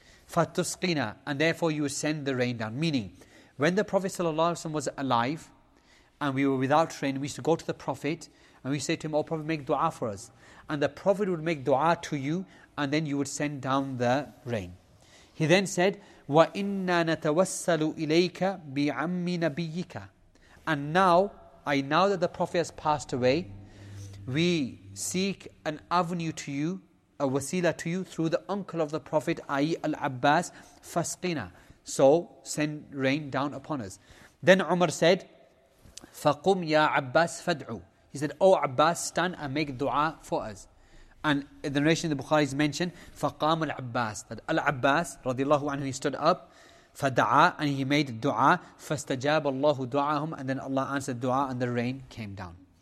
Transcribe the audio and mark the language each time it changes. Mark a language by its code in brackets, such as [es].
[en] Fatusqina, and therefore you send the rain down. Meaning, when the Prophet sallallahu alaihi wasallam was alive and we were without rain, we used to go to the Prophet and we say to him, O Prophet, make dua for us. And the Prophet would make dua to you and then you would send down the rain. He then said, [ar] وَإِنَّا نَتَوَسَّلُ إِلَيْكَ بِعَمِّ نَبِيِّكَ. [en] And now that the Prophet has passed away, we seek an avenue to you, a wasila to you, through the uncle of the Prophet, i.e. Al-Abbas, [ar] فَسْقِنَا. [en] So send rain down upon us. Then Umar said, [ar] فَقُمْ يَا عَبَّاسْ فَدْعُ. [en] He said, O Abbas, stand and make dua for us. And the narration in the Bukhari is mentioned, [ar] فقام العباس, [en] that Al-Abbas radiallahu anhu, he stood up, فدعا, and he made dua, [ar] فاستجاب الله دعاهم, [en] and then Allah answered dua and the rain came down.